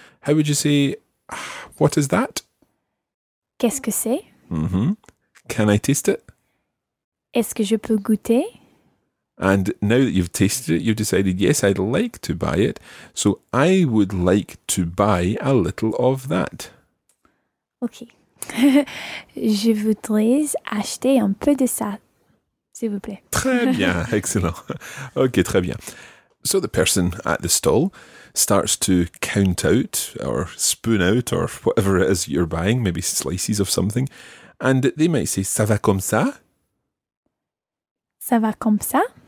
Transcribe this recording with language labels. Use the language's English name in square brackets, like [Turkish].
[English] How would you say, what is that? [French] Qu'est-ce que c'est? [English] Mm-hmm. Can I taste it? [French] Est-ce que je peux goûter? [English] And now that you've tasted it, you've decided, yes, I'd like to buy it. So I would like to buy a little of that. [French] Okay. Je voudrais acheter un peu de ça, s'il vous plaît. Très bien, excellent. Ok, très bien. So the person at the stall starts to count out or spoon out or whatever it is you're buying, maybe slices of something, and they might say, ça va comme ça? Ça va comme ça?